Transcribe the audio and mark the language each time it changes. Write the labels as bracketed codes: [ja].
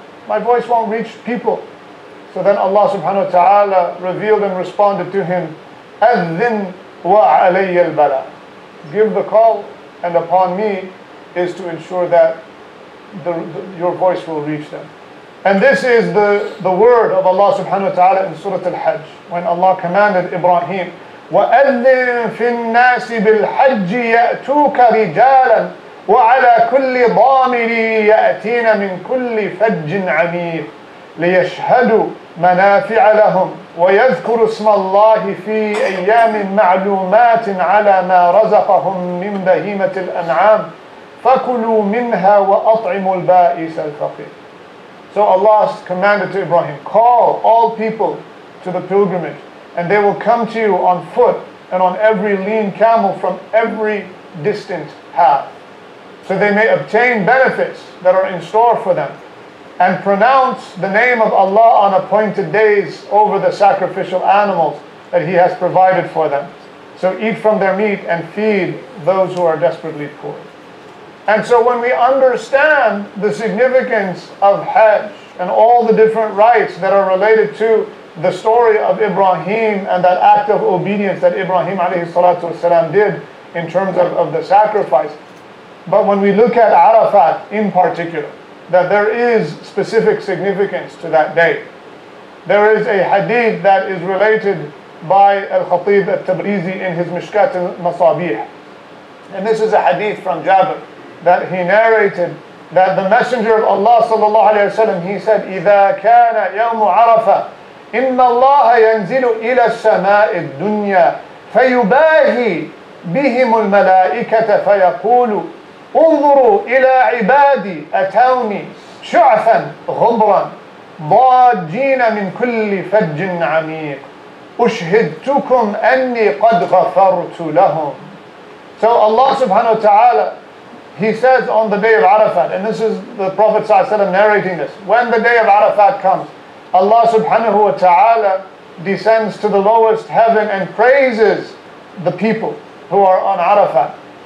[en] My voice won't reach people. So then Allah subhanahu wa ta'ala revealed and responded to him, [ar] أَذِّنْ وَعَلَيَّ الْبَلَى. [en] Give the call, and upon me is to ensure that your voice will reach them. And this is the word of Allah subhanahu wa ta'ala in Surah Al-Hajj, when Allah commanded Ibrahim, [ar] وَأَذِّنْ فِي النَّاسِ بِالْحَجِّ يَأْتُوكَ رِجَالًا وَعَلَى كُلِّ ضَامِرِ يَأْتِينَ مِنْ كُلِّ فَجٍّ عَمِيقٍ لِيَشْهَدُوا مَنَافِعَ لَهُمْ وَيَذْكُرُ اسْمَ اللَّهِ فِي أَيَّامٍ مَعْلُومَاتٍ عَلَى مَا رَزَقَهُمْ مِنْ بَهِيمَةِ الْأَنْعَامِ فَكُلُوا مِنْهَا وَأَطْعِمُوا الْبَائِسَ الْفَقِيرِ. [en] So Allah commanded to Ibrahim, call all people to the pilgrimage, and they will come to you on foot and on every lean camel from every distant half, so they may obtain benefits that are in store for them, and pronounce the name of Allah on appointed days over the sacrificial animals that He has provided for them. So eat from their meat and feed those who are desperately poor. And so when we understand the significance of Hajj and all the different rites that are related to the story of Ibrahim and that act of obedience that Ibrahim alayhi salatu wasalam did in terms of the sacrifice, but when we look at Arafat in particular, that there is specific significance to that day. There is a hadith that is related by Al-Khatib Al-Tabrizi in his Mishkat Al-Masabih. And this is a hadith from Jabir that he narrated that the Messenger of Allah sallallahu alayhi wa sallam, he said, [ar] إِذَا كَانَ يَوْمُ عَرَفَةَ إِنَّ اللَّهَ يَنْزِلُ إِلَى السَّمَاءِ الدُّنْيَا فَيُبَاهِي بِهِمُ الْمَلَائِكَةَ فَيَقُولُ انظروا إلى عبادي أتوني شعثا غبرا ضاجين من كل فج عميق أشهدتكم أني قد غفرت لهم. [en] So Allah subhanahu wa ta'ala, he says on the day of Arafat, and this is the Prophet sallallahu alayhi wa sallam narrating this, when the day of Arafat comes, Allah subhanahu wa ta'ala descends to the lowest heaven and praises the people who are on Arafat.